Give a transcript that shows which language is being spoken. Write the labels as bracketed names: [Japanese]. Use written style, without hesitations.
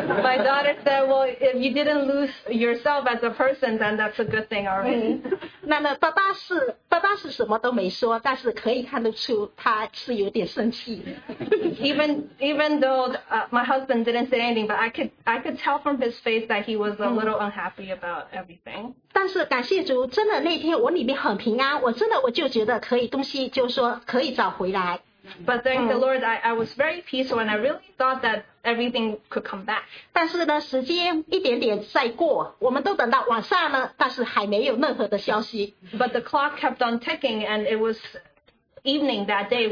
[English] My daughter said, well, if you didn't lose yourself as a person, then that's a good thing already. [Chinese] 那爸爸是什么都没说，但是可以看得出他是有点生气。 [English] Even though my husband didn't say anything, but I could tell from his face that he was a little unhappy about everything. [Chinese] 但是感谢主，真的那天我里面很平安，我真的我就觉得可以东西就说可以找回来。 [English] But thank the Lord, I was very peaceful, and I really thought that everything could come back. [Chinese] 但是呢，时间一点点在过，我们都等到晚上了，但是还没有任何的消息。But [English] the clock kept on ticking, and it was evening that day.